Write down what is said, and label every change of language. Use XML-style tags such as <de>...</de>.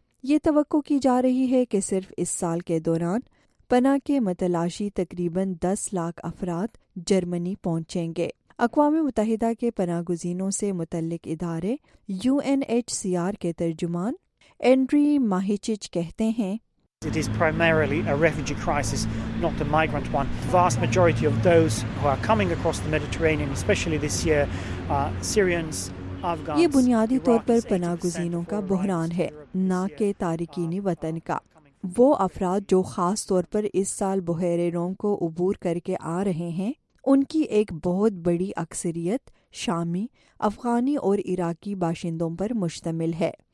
<ur>یہ توقع کی جا رہی ہے کہ صرف اس سال کے دوران پناہ کے متلاشی تقریباً 1,000,000 افراد جرمنی پہنچیں گے. اقوام متحدہ کے پناہ گزینوں سے متعلق ادارے UNHCR کے ترجمان اینڈری ماہیچچ کہتے ہیں:</ur> <en>It is primarily a refugee crisis, not a migrant one. The vast majority of those who are coming across the Mediterranean, especially this year, are Syrians, Afghans.</en> <ur>یہ بنیادی طور پر پناہ گزینوں کا بحران ہے, نہ کہ تارکین وطن کا. وہ افراد جو خاص طور پر اس سال بحیر روم کو عبور کر کے آ رہے ہیں, ان کی ایک بہت بڑی اکثریت شامی, افغانی اور عراقی باشندوں پر مشتمل ہے.</ur>